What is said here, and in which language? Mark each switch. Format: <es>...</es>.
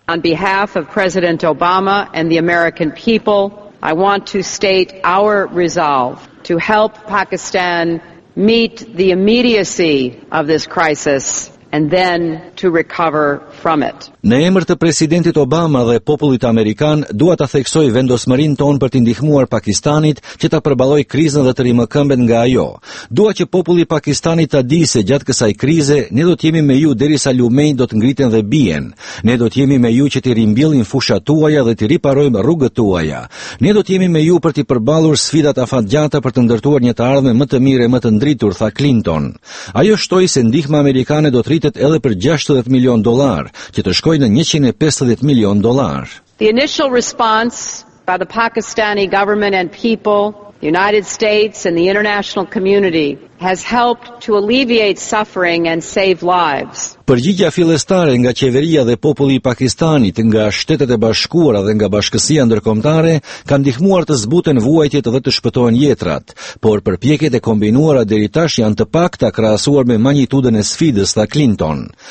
<en>On behalf of President Obama and the American people, I want to state our resolve to help Pakistan meet the immediacy of this crisis and then to recover from it.</en> <sq>Në emër të presidentit Obama dhe popullit amerikan, dua ta theksoj vendosmërinë tonë për të ndihmuar Pakistanit që ta përballojë krizën dhe të rimëkëmbet nga ajo. Dua që populli pakistanit ta di se gjatë kësaj krize ne do të jemi me ju derisa lumenjtë do të ngriten dhe bien. Ne do të jemi me ju që të rimbjellim fushat tuaja dhe të riparojmë rrugët tuaja. Ne do të jemi me ju për të përballur sfidat afatgjata për të ndërtuar një të ardhme më të mirë e më të ndritur, tha Clinton. Ajo shtoi se ndihma amerikane do rritet edhe për 60 milion dollar, që të shkojë në 150 milion dollar.</sq> <en>The initial response by the Pakistani government and people, the United States and the international community has helped to alleviate suffering and save lives.</en> <sq>Përgjigja fillestare nga qeveria dhe populli i Pakistanit, nga Shtetet e Bashkuara dhe nga Bashkësia Ndërkombëtare kanë ndihmuar të zbuten vuajtjet dhe të shpëtohen jetrat, por përpjekjet e kombinuara deri tash janë të pakta krahasuar me magnitudën e sfidës, tha Clinton.</sq>